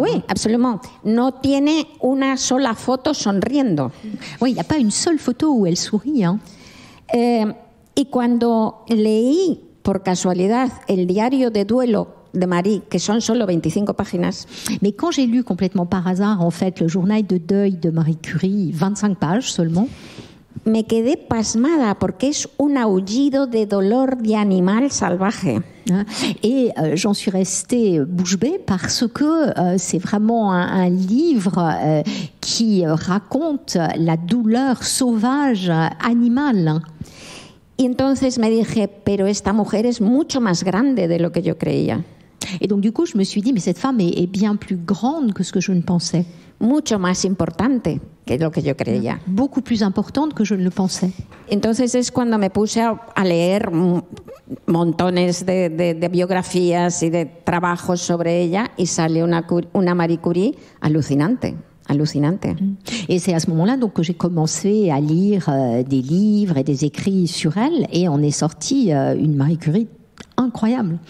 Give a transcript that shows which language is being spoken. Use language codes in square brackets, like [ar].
[fr] Oui, absolument. [es] No tiene una sola foto sonriendo. [fr] Oui, il n'y a pas une seule photo où elle sourit. Hein. [es] Y cuando leí por casualidad el diario de duelo de Marie, que son solo 25 páginas, [fr] mais quand j'ai lu complètement par hasard en fait le journal de deuil de Marie Curie, 25 pages seulement, [es] me quedé pasmada porque es un aullido de dolor de animal salvaje. [fr] Et j'en suis restée bouche bée parce que c'est vraiment un livre qui raconte la douleur sauvage animale. [es] Y entonces me dije, pero esta mujer es mucho más grande de lo que yo creía. [fr] Et donc du coup, je me suis dit, mais cette femme est bien plus grande que ce que je ne pensais. [es] Mucho más importante que lo que yo creía. [fr] Beaucoup plus importante que je ne le pensais. [es] Entonces es cuando me puse a leer montones de biografías y de trabajos sobre ella y salió una Marie Curie alucinante. [fr] Hallucinante. Et c'est à ce moment-là donc, que j'ai commencé à lire des livres et des écrits sur elle et on est sorti une Marie Curie incroyable.